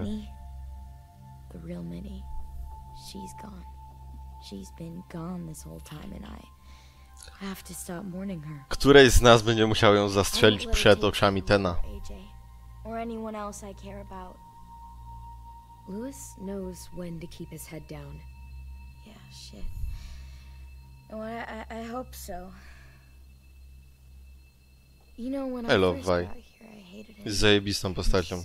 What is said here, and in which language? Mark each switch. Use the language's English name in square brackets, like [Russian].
[English] Minnie, the real Minnie, she's gone. She's been gone this whole time, and I... have to stop mourning her. [Polish] Któryś z nas będzie musiał ją zastrzelić przed oczami Tena. [English] Or anyone else I care about. Lewis knows when to keep his head down. Yeah, shit. Well, I hope so. You know, when I first got here, I hated him. [Polish] Zajebistą postacią.